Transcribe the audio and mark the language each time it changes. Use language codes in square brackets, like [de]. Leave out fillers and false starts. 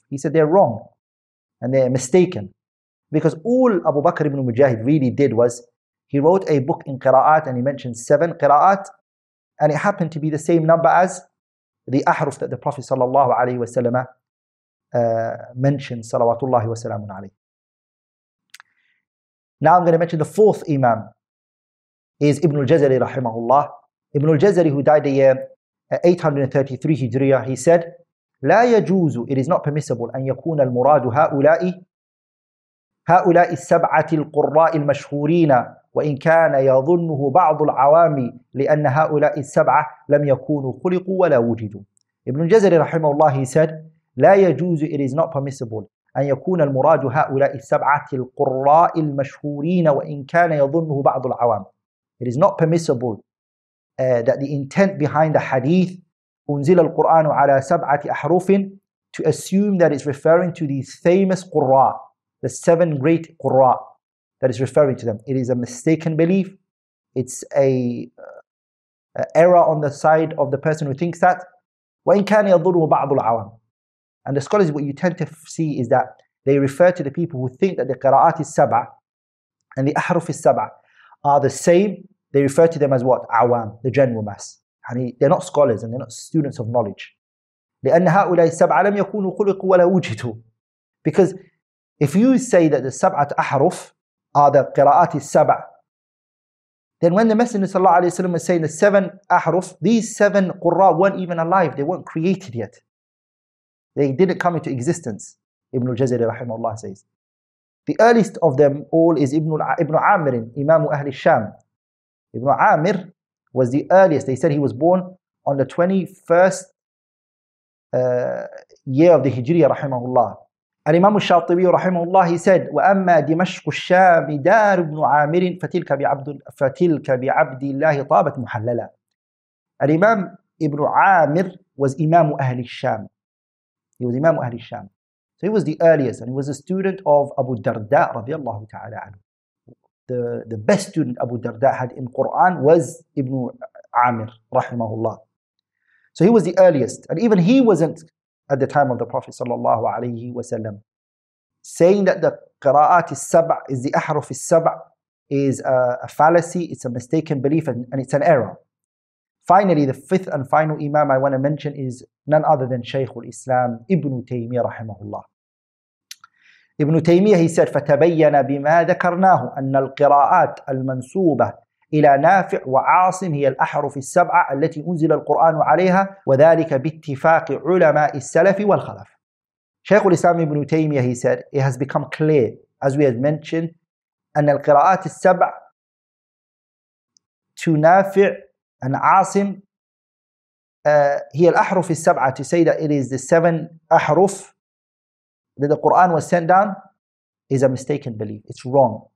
[en] He said they're wrong and they're mistaken, because all Abu Bakr ibn Mujahid really did was he wrote a book in qira'at and he mentioned seven qira'at, and it happened to be the same number as the ahruf that the Prophet sallallahu alaihi wasallam mentioned, salawatullahi wasalamun alayhi. Now I'm going to mention the fourth imam is Ibn al-Jazari rahimahullah. Ibn al-Jazari, who died the year 833 Hijriah, he said, [ar] لا يجوز, [en] it is not permissible, [ar] أن يكون المراد هؤلاء السبعة القراء المشهورين وإن كان يظنه بعض العوام لأن هؤلاء السبعة لم يكونوا خلقوا ولا وجدوا. [en] Ibn al-Jazari rahimahullah, he said, [ar] لا يجوز, [en] it is not permissible, [ar] أن يكون المراد هؤلاء السبعة القراء المشهورين وإن كان يظنه بعض العوام. [en] It is not permissible that the intent behind the hadith [ar] أنزل القرآن على سبعة أحرف, [en] to assume that it's referring to these famous قراء, the seven great قراء, that is referring to them. It is a mistaken belief. It's a error on the side of the person who thinks that. [ar] وإن كان يظنه بعض العوام. [en] And the scholars, what you tend to see is that they refer to the people who think that the qira'at al-sab'a and the ahruf al-sab'a are the same. They refer to them as what? Awam, the general mass. And they're not scholars and they're not students of knowledge. [ar] لأن هؤلاء السبعة لم يكونوا خلقوا ولا وجدوا. [en] Because if you say that the sab'at ahruf are the qira'at al-sab'a, then when the Messenger sallallahu alayhi wa sallam was saying the seven ahruf, these seven qurra weren't even alive. They weren't created yet. They didn't come into existence, Ibn al-Jazari rahimahullah says. The earliest of them all is Ibn Amir, Imam Ahl al-Sham. Ibn Amir was the earliest. They said he was born on the 21st year of the Hijriya rahimahullah. And Imam al-Shatibi rahimahullah, he said, [ar] وَأَمَّا دِمَشْقُ الشَّامِ دَارُ بْنُ عَامِرٍ فَتِلْكَ بِعَبْدِ اللَّهِ طَابَتْ مُحَلَّلًا. [en] And Imam Ibn Amir was Imam Ahl al-Sham. He was Imam Ahl al-Sham. So he was the earliest, and he was a student of Abu Darda radiallahu ta'ala anhu. The best student Abu Darda had in Quran was Ibn Amir rahimahullah. So he was the earliest, and even he wasn't at the time of the Prophet sallallahu alayhi wa sallam. Saying that the qira'at al-sab' is the ahruf al-sab' is a fallacy, it's a mistaken belief, and it's an error. Finally, the fifth and final imam I want to mention is none other than Shaykh al-Islam Ibn Taymiyyah rahimahullah. Ibn Taymiyyah, he said, [ar] فَتَبَيَّنَ بِمَا ذَكَرْنَاهُ أَنَّ الْقِرَاءَاتِ الْمَنْسُوبَةِ إِلَى نَافِعْ وَعَاصِمْ هِيَ الْأَحْرُفِ السَّبْعَةِ الَّتِي أُنزِلَ الْقُرْآنُ عَلَيْهَا وَذَلِكَ بِاتِّفَاقِ عُلَمَاءِ السَّلَفِ وَالْخَلَفِ. [en] Shaykh al-Islam ibn Taymiyyah, he said, it has become clear, as we had mentioned, [ar] أن القراءات السبع تنافع أن عاصم هي الأحرف السبعة. [en] To say that it is the seven أحرف that the Quran was sent down is a mistaken belief. It's wrong.